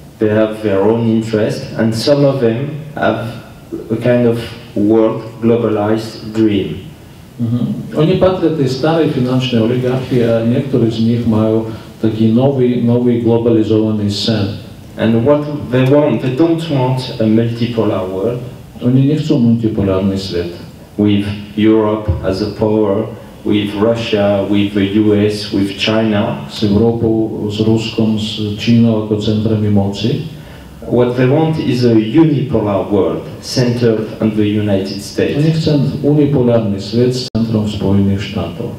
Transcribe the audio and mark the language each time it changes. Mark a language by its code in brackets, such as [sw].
[en] They have their own interest, and some of them have a kind of world globalized dream. Mm-hmm. [sk] Oni patria tej starej finančnej oligarchii a niektorí z nich majú taký nový globalizovaný sen. [en] And what they want, they don't want a multipolar world. [sk] Oni nechcú multipolárny svet. [en] With Europe as a power, with Russia, with the US, with China. [sk] S Európou, s Ruskom, s Čínou ako centrami moci. [en] What they want is a unipolar world centered on the United States. [sk] Oni chcú unipolárny svet s centrom Spojených štátov.